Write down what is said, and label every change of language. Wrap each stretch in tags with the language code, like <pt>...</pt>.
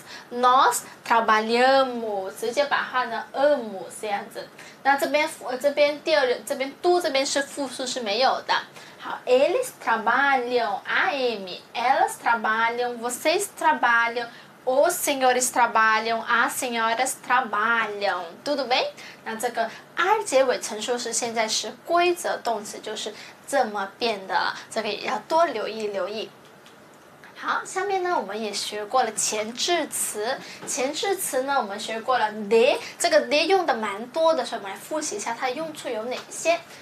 <pt>Nós trabalhamos,</pt> <zh>直接把它换成 amos 这样子。那这边第二，这边 do 这边是复数是没有的。</zh> <pt>好， eles trabalham, am, elas trabalham, vocês trabalham, os senhores trabalham, as senhoras trabalham. Tudo bem?</pt> <zh>那这个 r 结尾陈述时现在时规则动词就是这么变的，这个也要多留意留意。好，下面呢我们也学过了前置词，前置词呢我们学过了 de， 这个 de 用的蛮多的，所以我们来复习一下它的用处有哪些。</zh>